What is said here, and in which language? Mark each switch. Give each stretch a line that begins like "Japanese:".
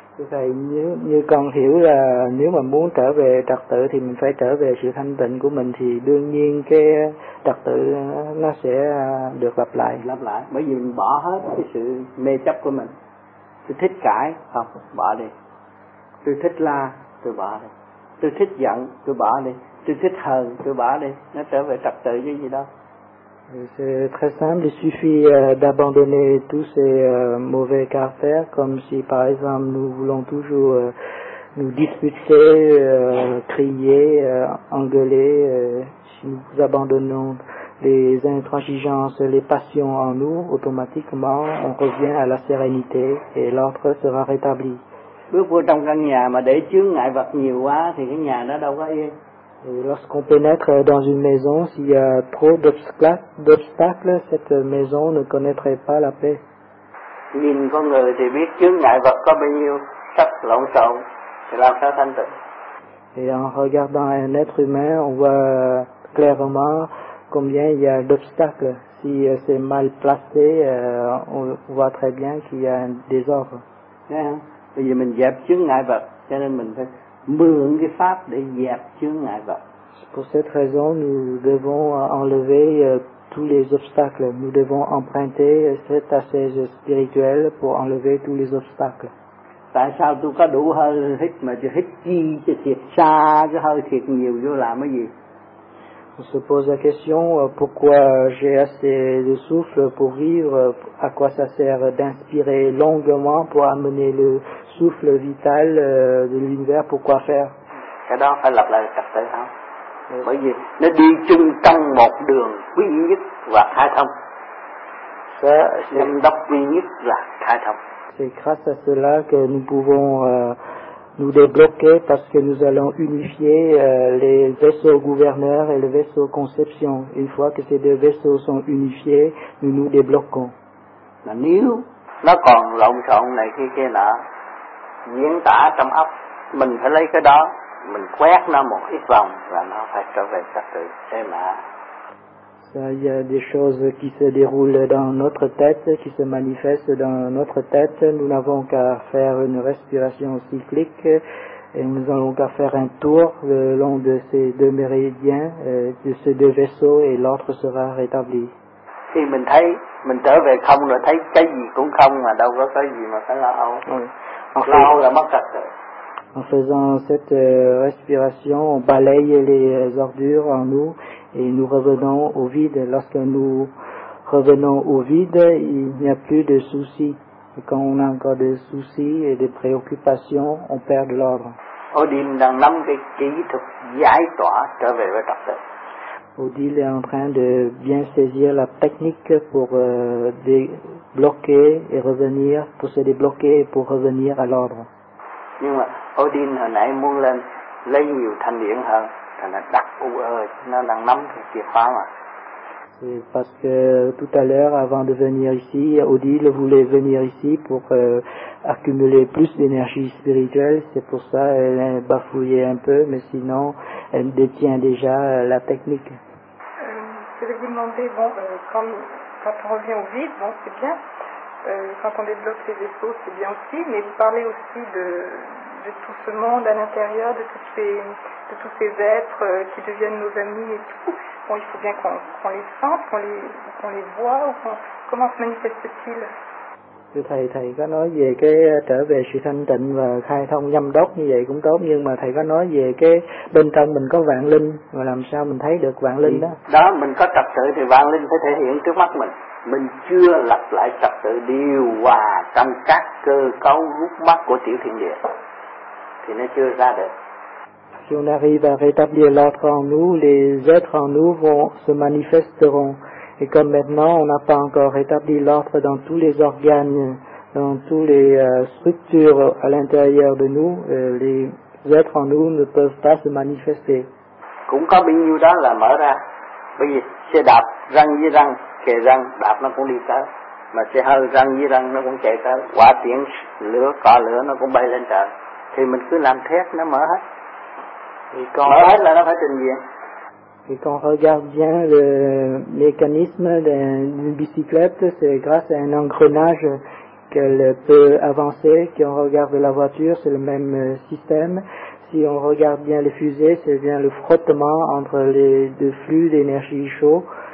Vietnamese: Thầy như con hiểu là nếu mà muốn trở về trật tự thì mình phải trở về sự thanh tịnh của mình, thì đương nhiên cái trật tự nó sẽ được lặp lại bởi vì mình bỏ hết cái sự mê chấp của mình, tôi thích cãi không bỏ đi, tôi thích la tôi bỏ đi, tôi thích giận tôi bỏ đi, tu thích hờn, tu bỏ đi, nó trở về trật tự như gì đó.
French: C'est très simple, il suffit d'abandonner tous ces mauvais caractères, comme si par exemple nous voulons toujours nous disputer, crier, engueuler. Si nous abandonnons les intransigeances, les passions en nous, automatiquement on revient à la sérénité et l'ordre sera rétabli.
Vietnamese: Bước vô trong căn nhà mà để chướng ngại vật nhiều quá thì cái nhà nó đâu có yên.
French: Et lorsqu'on pénètre dans une maison, s'il y a trop d'obstacles, cette maison ne connaîtrait pas la paix.
Vietnamese: Nhìn con người thì biết chướng ngại vật có bao nhiêu, chất lộn xộn thì làm sao thanh tịnh.
French: Et en regardant un être humain, on voit clairement combien il y a d'obstacles. Si c'est mal placé, on voit très bien qu'il y a un désordre.
Vietnamese: Bây giờ mình dẹp chướng ngại vật, cho nên mình phải mượn cái pháp để dẹp chướng ngại vật.
French: Pour cette raison, nous devons enlever tous les obstacles. Nous devons emprunter cette assise spirituelle pour enlever tous les obstacles.
Vietnamese: Tại sao tôi có đủ hơi hít mà chỉ hít chi cho thiệt xa, chứ hơi thiệt nhiều vô làm cái gì?
French: On se pose la question, pourquoi j'ai assez de souffle pour vivre, à quoi ça sert d'inspirer longuement pour amener le souffle vital de l'univers, pourquoi faire?
Vietnamese: Cái đó phải lập lại trật tự không? Bởi vì nó đi chung trong một đường quý nhất là khai thông. Nhân đốc duy nhất là khai thông.
French: C'est grâce à cela que nous pouvons nous débloquer parce que nous allons unifier les vaisseaux gouverneurs et le vaisseau conception. Une fois que ces deux vaisseaux sont unifiés, nous nous débloquons. Mais si
Vietnamese: nó còn lộn xộn này kia kia nọ, diễn tả trong óc, mình phải lấy cái đó, mình quét nó một ít vòng là nó phải trở về trật tự thế mà.
French: Il y a des choses qui se déroulent dans notre tête, qui se manifestent dans notre tête. Nous n'avons qu'à faire une respiration cyclique et nous n'avons qu'à faire un tour le long de ces deux méridiens, de ces deux vaisseaux et l'autre sera rétabli. Si
Vietnamese: mình thấy, mình trở về không rồi thấy cái gì cũng không mà đâu có cái gì mà phải lo âu. Lo âu là mất trật tự.
French: En faisant cette respiration, on balaye les ordures en nous et nous revenons au vide. Lorsque nous revenons au vide, il n'y a plus de soucis. Et quand on a encore des soucis et des préoccupations, on perd de l'ordre.
Vietnamese: Odile
French: dans
Vietnamese: năm cái kỹ thuật giải tỏa trở về với trật tự.
French: Odile est en train de bien saisir la technique pour débloquer et revenir, pour se débloquer et pour revenir à l'ordre.
Vietnamese: Nhưng mà Odin hồi nãy muốn lên lấy nhiều thanh điển hơn, thành là đặt u ơ, nó đang nắm cái chìa khóa mà.
French: C'est parce que tout à l'heure, avant de venir ici, Odin voulait venir ici pour accumuler plus d'énergie spirituelle. C'est pour ça elle est bafouillée un peu, mais sinon elle détient déjà la technique. Je vais vous demander, quand on revient au vide, bon, c'est bien. Quand on débloque ces vaisseaux, c'est bien aussi, mais vous parlez aussi de tout ce monde à l'intérieur, de tous ces êtres qui deviennent nos amis et tout. Bon, il faut bien qu'on les sente, qu'on les voit, ou comment se manifeste-t-il?
Vietnamese: Thưa thầy, thầy có nói về cái trở về sự thanh tịnh và khai thông nhâm đốc như vậy cũng tốt, nhưng mà thầy có nói về cái bên trong mình có vạn linh, và làm sao mình thấy được vạn linh đó? Đó, mình có trật tự thì vạn linh phải thể hiện trước mắt mình. Mình chưa lập lại trật tự điều hòa trong các cơ cấu rút mắt của tiểu thiên địa, thì nó chưa ra được.
French: Si on arrive à rétablir l'ordre en nous, les êtres en nous vont se manifesteront. Et comme maintenant on n'a pas encore rétabli l'ordre dans tous les organes, dans toutes les structures à l'intérieur de nous, les êtres en nous ne peuvent pas se manifester.
Vietnamese: Cũng có bao nhiêu đó là mở ra. Bởi vì xe đạp răng với răng, kề răng đạp nó cũng đi tới, mà xe hơi răng với răng nó cũng chạy tới. Quả tiễn lửa cọ lửa nó cũng bay lên trời. Thì mình cứ làm thét nó mở hết. Thì còn mở hết là nó phải trình diện.
French: Et quand on regarde bien le mécanisme d'une bicyclette, c'est grâce à un engrenage qu'elle peut avancer. Quand on regarde la voiture, c'est le même système. Si on regarde bien les fusées, c'est bien le frottement entre les deux flux d'énergie chaud.